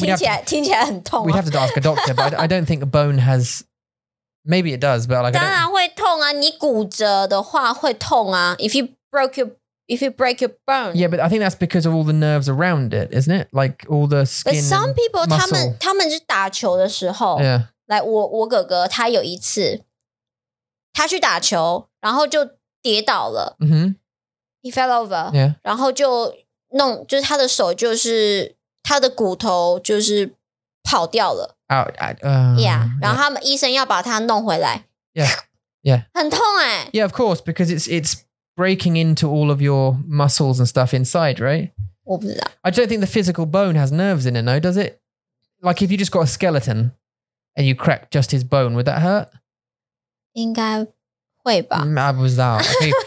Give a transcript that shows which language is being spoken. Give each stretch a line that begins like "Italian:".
English: We'd have to ask a doctor, but I don't think a bone has. Maybe it does, but like.
Chinese: 当然会痛啊！你骨折的话会痛啊！
English: If you break your bone. Yeah, but I think that's because of all the nerves around it, isn't it? Like all the skin. But some people,
Chinese: 他们就打球的时候,
English: yeah. Like
Chinese: 我哥哥他有一次, 他去打球, 然后就跌倒了, mm-hmm.
English: He fell over. Yeah.
Chinese: 然后就弄, 就是他的手就是, 他的骨头就是跑掉了。
English: Yeah.
Chinese: 然后他们医生要把他弄回来。
English: Yeah. Yeah.
Chinese: 很痛欸。
English: Yeah, of course, because it's breaking into all of your muscles and stuff inside, right? I don't think the physical bone has nerves in it, no, does it? Like if you just got a skeleton and you cracked just his bone, would that hurt?
Chinese: 应该会吧。不知道。
English: Okay.